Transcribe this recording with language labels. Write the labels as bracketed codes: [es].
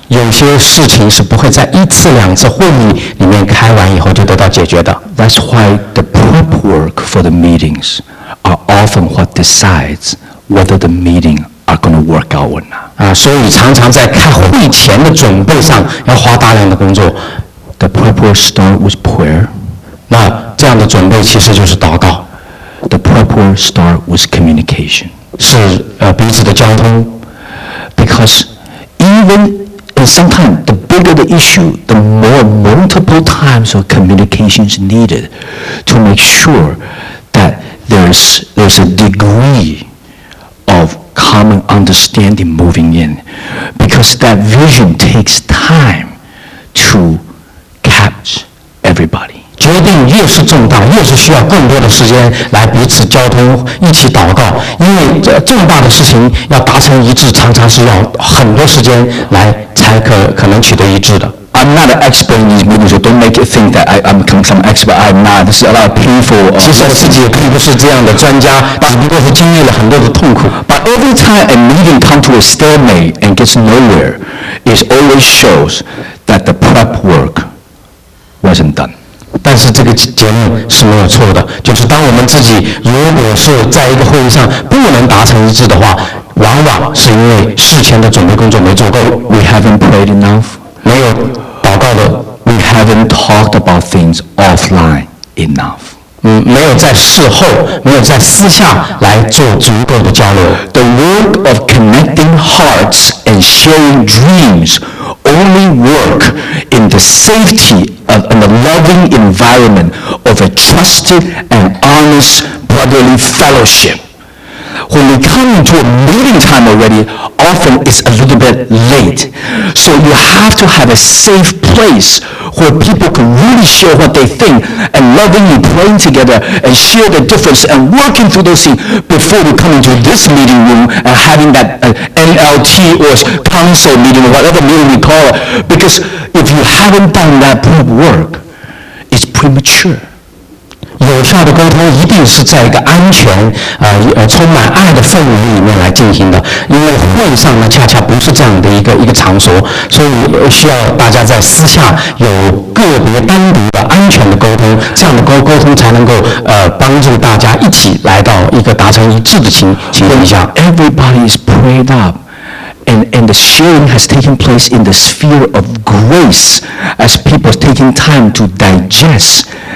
[zh] 有些事情是不会在一次两次会议里面开完以后就得到解决的。 [en] That's why the prep work for the meetings are often what decides whether the meeting are going to work out or not. [zh] 所以常常在开会前的准备上要花大量的工作。 [en] The prep work starts with prayer. [zh] 那这样的准备其实就是祷告。 [en] The prep work starts with communication. [zh] 是彼此的交通。 [en] Because even and sometimes the bigger the issue, the more multiple times of communication is needed to make sure that there's a degree of. Common understanding moving in, because that vision takes time to catch everybody. [zh] 决定越是重大，越是需要更多的时间来彼此交通，一起祷告。因为重大的事情要达成一致，常常是要很多时间来才可能取得一致的。 [en] I'm not an expert in these meetings, so don't make it think that I'm some expert. I'm not. This is a lot of painful. [zh] 其实我自己也并不是这样的专家，只不过是经历了很多的痛苦。 [en] But every time a meeting comes to a stalemate and gets nowhere, it always shows that the prep work wasn't done. [zh] 但是这个结论是没有错的，就是当我们自己如果是在一个会议上不能达成一致的话，往往是因为事前的准备工作没做够。 [en] We haven't prayed enough. [zh] 没有祷告的 [en] We haven't talked about things offline enough. [zh] 没有在事后，没有在私下来做足够的交流。 [en] The work of connecting hearts and sharing dreams only work in the safety of and the loving environment of a trusted and honest brotherly fellowship. When we come to a meeting time already. Often it's a little bit late. So you have to have a safe place where people can really share what they think and lovingly pray together and share the difference and working through those things before we come into this meeting room and having that NLT or council meeting or whatever meeting we call it. Because if you haven't done that prep work, it's premature. [zh] 有效的沟通一定是在一个安全、充满爱的氛围里面来进行的，因为会上呢恰恰不是这样的一个场所，所以需要大家在私下有个别单独的安全的沟通，这样的沟通才能够帮助大家一起来到一个达成一致的情况下。 [en] Everybody is prayed up, and the sharing has taken place in the sphere of grace as people are taking time to digest.